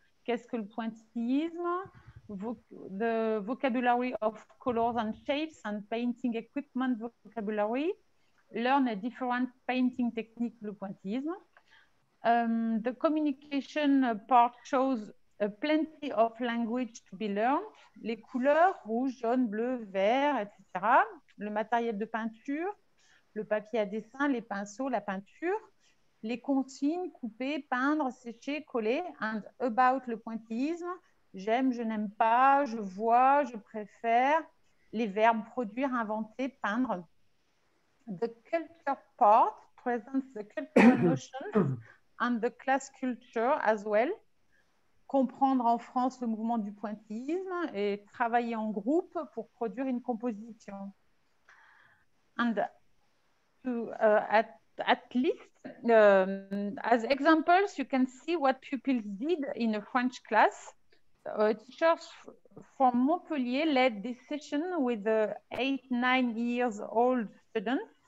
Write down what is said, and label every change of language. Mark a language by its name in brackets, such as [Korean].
[French] Qu'est-ce que le pointillisme? [English] The vocabulary of colors and shapes and painting equipment vocabulary. Learn a different painting technique, le pointillisme. The communication part shows plenty of language to be learned. [French] Les couleurs, rouge, jaune, bleu, vert, etc. Le matériel de peinture, le papier à dessin, les pinceaux, la peinture. Les consignes, couper, peindre, sécher, coller. And about le pointillisme, j'aime, je n'aime pas, je vois, je préfère. Les verbes produire, inventer, peindre. [English] The culture part presents the cultural notions and the class culture as well. [French] Comprendre en France le mouvement du pointillisme et travailler en groupe pour produire une composition. [English] And to, at least, as examples, you can see what pupils did in a French class. Teachers from Montpellier led this session with 8-9 years old students.